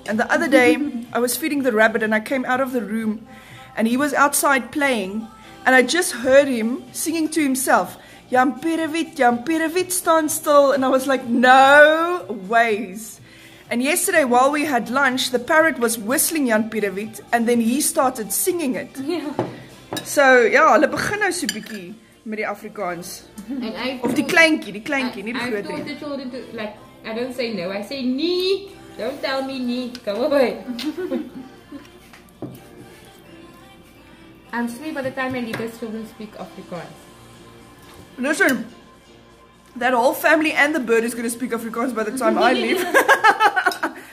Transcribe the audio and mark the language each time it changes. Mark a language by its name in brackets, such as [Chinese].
[English] And the other day, I was feeding the rabbit and I came out of the room and he was outside playing. And I just heard him singing to himself, Jan Pirovid, stand still. And I was like, no ways. And yesterday, while we had lunch, the parrot was whistling Jan Pirovid, and then he started singing it. Yeah. [Afrikaans] So, yeah, hulle begin nou so bietjie met die Afrikaans. Of die kleinkie, nie die grootie. [English] I taught the children to, like, I don't say no, I say nee. Don't tell me nee. Come away. I'm sorry by the time I leave, the children speak Afrikaans. Listen, that whole family and the bird is going to speak Afrikaans by the time I leave.